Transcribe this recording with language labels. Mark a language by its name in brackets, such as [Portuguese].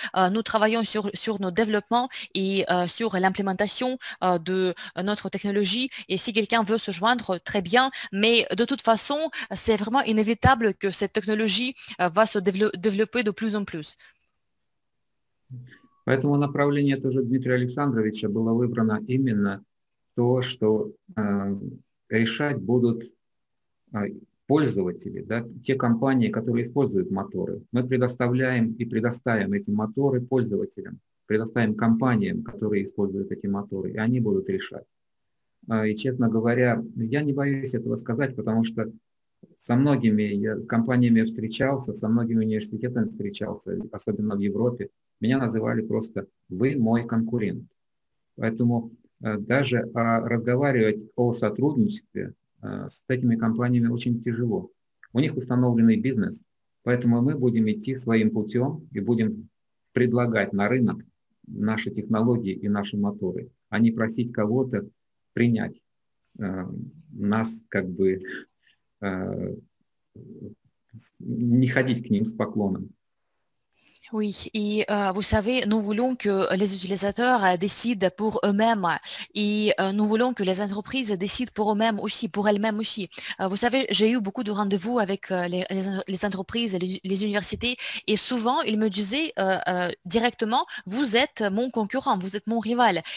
[French] Nous travaillons sur nos développements et sur l'implémentation de notre technologie. Et si quelqu'un veut se joindre, très bien. Mais de toute façon, c'est vraiment inévitable que cette technologie va se développer de plus en plus. [Russian] Поэтому направление тоже Дмитрия Александровича было выбрано именно то, что решать будут пользователи, да, те компании, которые используют моторы. Мы предоставляем и предоставим эти моторы пользователям, предоставим компаниям, которые используют эти моторы, и они будут решать. И, честно говоря, я не боюсь этого сказать, потому что со многими компаниями встречался, со многими университетами встречался, особенно в Европе. Меня называли просто «вы мой конкурент». Поэтому даже разговаривать о сотрудничестве с такими компаниями очень тяжело. У них установленный бизнес, поэтому мы будем идти своим путем и будем предлагать на рынок наши технологии и наши моторы, а не просить кого-то принять нас, как бы не ходить к ним с поклоном. [French] Oui, et vous savez, nous voulons que les utilisateurs décident pour eux-mêmes, et nous voulons que les entreprises décident pour eux-mêmes aussi, pour elles-mêmes aussi. Vous savez, j'ai eu beaucoup de rendez-vous avec les entreprises, les universités, et souvent, ils me disaient directement, vous êtes mon concurrent, vous êtes mon rival.